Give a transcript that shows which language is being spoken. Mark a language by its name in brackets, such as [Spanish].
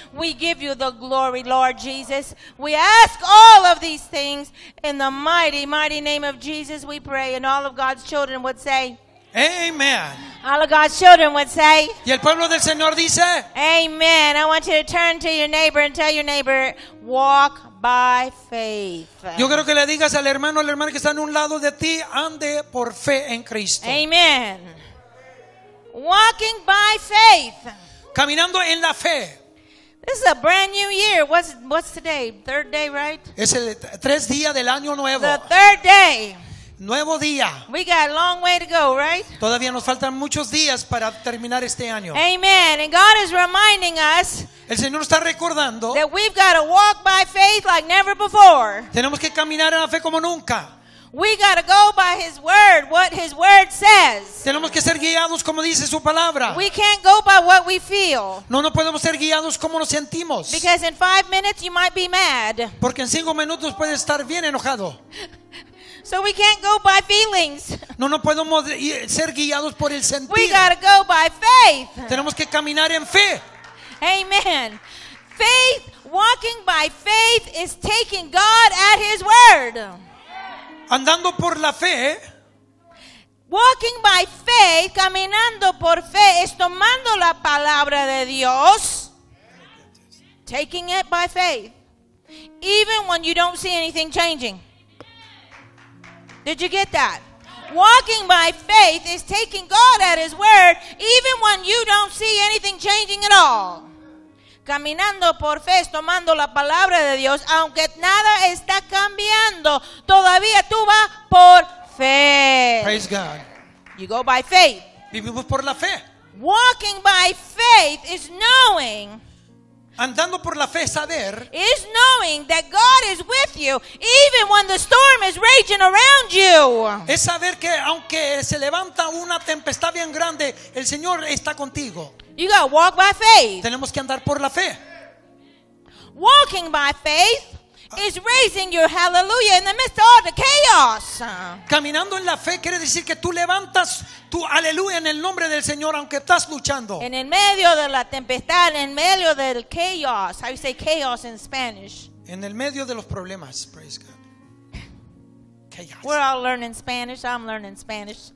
[English] We give you the glory, Lord Jesus. We ask all of these things in the mighty, mighty name of Jesus. We pray, and all of God's children would say, amen. All of God's children would say, [Spanish] y el pueblo del Señor dice, amen. [English] I want you to turn to your neighbor and tell your neighbor, walk by faith. [Spanish] Yo quiero que le digas al hermano, al hermano que está en un lado de ti, ande por fe en Cristo. [English] Amen. Walking by faith. [Spanish] Caminando en la fe. [English] This is a brand new year. What's today? Third day, right? [Spanish] Es el tres día del año nuevo. [English] The third day. [Spanish] Nuevo día. [English] We got a long way to go, right? [Spanish] Todavía nos faltan muchos días para terminar este año. [English] Amen. And God is reminding us. [Spanish] El Señor está recordando. [English] That we've got to walk by faith like never before. [Spanish] Tenemos que caminar en la fe como nunca. [English] We got to go by His word, what His word says. [Spanish] Tenemos que ser guiados como dice su palabra. [English] We can't go by what we feel. [Spanish] No podemos ser guiados como nos sentimos. [English] Because in 5 minutes you might be mad. [Spanish] Porque en 5 minutos puedes estar bien enojado. [English] So we can't go by feelings. [Spanish] No podemos ser guiados por el sentir. [English] We got to go by faith. [Spanish] Tenemos que caminar en fe. [English] Amen. Faith, walking by faith is taking God at His word. [Spanish] Andando por la fe. [English] Walking by faith, [Spanish] caminando por fe, es tomando la palabra de Dios. [English] Taking it by faith. Even when you don't see anything changing. Did you get that? Walking by faith is taking God at His word, even when you don't see anything changing at all. [Spanish] caminando por fe, tomando la palabra de Dios, aunque nada está cambiando, todavía tú vas por fe. [English] Praise God. You go by faith. [Spanish] Vivimos por la fe. [English] Walking by faith is knowing. [Spanish] Andando por la fe, saber [English] is knowing that God is with you even when the storm is raging around you. [Spanish] Es saber que aunque se levanta una tempestad bien grande, el Señor está contigo. [English] You gotta walk by faith. [Spanish] Tenemos que andar por la fe. [English] Walking by faith is raising your hallelujah in the midst of all the chaos. [Spanish] Caminando en la fe quiere decir que tú levantas tu aleluya en el nombre del Señor aunque estás luchando. En el medio de la tempestad, en medio del chaos. [English] How do you say chaos in Spanish? [Spanish] En el medio de los problemas. [English] Praise God. [Spanish] Chaos. [English] We're all learning Spanish. I'm learning Spanish.